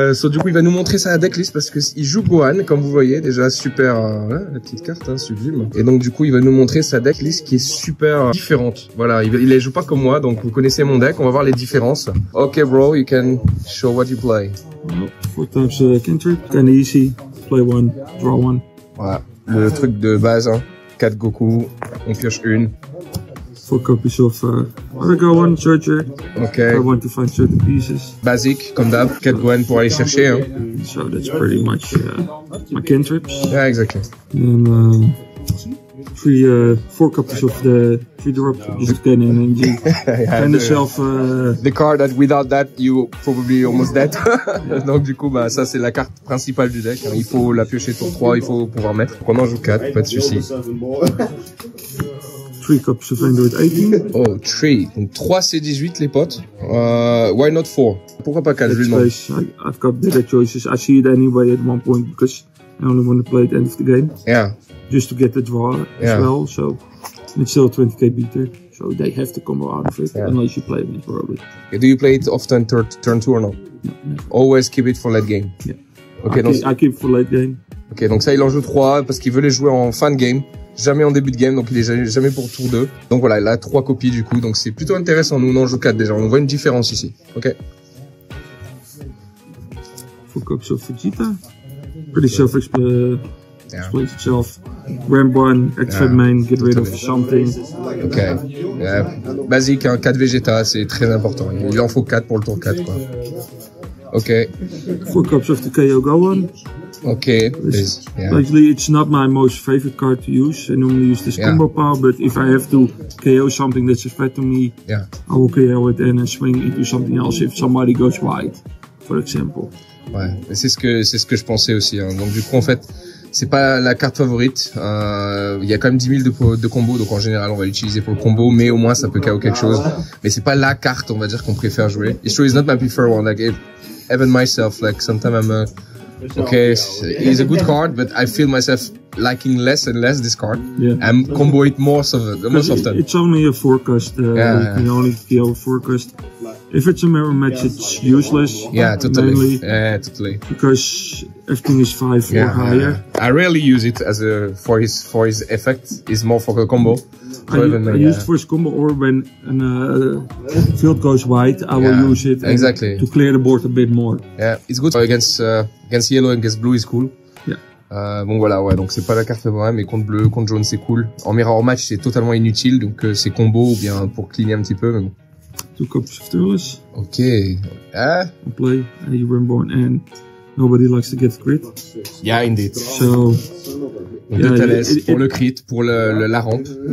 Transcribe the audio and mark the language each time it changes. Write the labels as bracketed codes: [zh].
[fr] du coup il va nous montrer sa decklist parce qu'il joue Gohan comme vous voyez. Déjà super, la petite carte, hein, sublime. Et donc du coup il va nous montrer sa decklist qui est super différente. Voilà, il joue pas comme moi, donc vous connaissez mon deck. On va voir les différences. [en] Ok bro, you can show what you play. What types of cantrip? Then easy, play one, draw one. [fr] Voilà, le truc de base, hein. 4 Goku, on pioche une. [en] 4 copies of Gohan, Charger. Ok. I want to find certain pieces. [fr] Basique, comme d'hab, 4 Gohan pour aller chercher. Hein. [en] So that's pretty much my cantrips. Yeah, exactly. And 4 copies of the 3 drop, just gain an NG. Find yourself. The card that without that, you probably almost dead. [fr] Donc, du coup, bah, ça c'est la carte principale du deck. Hein. Il faut la piocher tour 3, il faut pouvoir mettre. Donc, on en joue 4, pas de soucis. [en] 3 copies of 18. [fr] Oh, 3. Donc 3 c'est 18 les potes. [en] Why not 4? [fr] Pourquoi pas 4? [en] I've got better choices. I see it anyway at one point because I only want to play at the end of the game. Yeah. Just to get the draw as well. So it's still 20k beater. So they have to combo out of it unless you play it probably. Yeah, do you play it often turn 2 or not? No. Always keep it for late game. Yeah. Okay, I keep for late game. [fr] Okay, donc ça il en joue 3 parce qu'il veut les jouer en fin de game. Jamais en début de game, donc il est jamais pour tour 2. Donc voilà, il a 3 copies du coup, donc c'est plutôt intéressant. Nous on en joue 4 déjà, on voit une différence ici. Ok. [en] 4 copies of Vegeta. Pretty self-explains itself. Ramp 1, extra main, get rid of something. [fr] Ok. Yeah. Basique, hein, 4 Vegeta, c'est très important. Il en faut 4 pour le tour 4. Quoi. Ok. [en] 4 copies of the KO Gohan. Okay, please. Actually, it's not my most favorite card to use. I normally use this combo power, but if I have to KO something that's a threat to me, I will KO it and then swing into something else if somebody goes wide, for example. [fr] Ouais, c'est ce que je pensais aussi. Hein. Donc du coup, en fait, c'est pas la carte favorite. Il y a quand même 10 000 de combo, donc en général, on va l'utiliser pour le combo, mais au moins, ça peut KO quelque chose. Mais c'est pas la carte, on va dire, qu'on préfère jouer. [en] It's true, it's not my preferred one. Like, even myself, like, sometimes I'm... Okay, it's a good card, but I feel myself liking less and less this card. Yeah. I'm combo it most often. It's only a 4-cost. You can only kill 4-cost. If it's a mirror match, it's useless. Yeah, totally. Yeah, totally. Because everything is 5 or higher. Yeah. I rarely use it as a for his effect. It's more for a combo. I use it for his combo or when a field goes wide, I will use it exactly to clear the board a bit more. Yeah, it's good against yellow and against blue is cool. Yeah. [fr] Bon voilà, ouais, donc c'est pas la carte favorite, mais contre bleu, contre jaune, c'est cool. En mirror match, c'est totalement inutile, donc c'est combo ou bien pour cleaner un petit peu, mais bon. [en] 2 copies of tools. Ok. Ah. On play, you were born, and nobody likes to get crit. Yeah, indeed. So. [fr] Donc, yeah, Thales pour le crit, pour la rampe.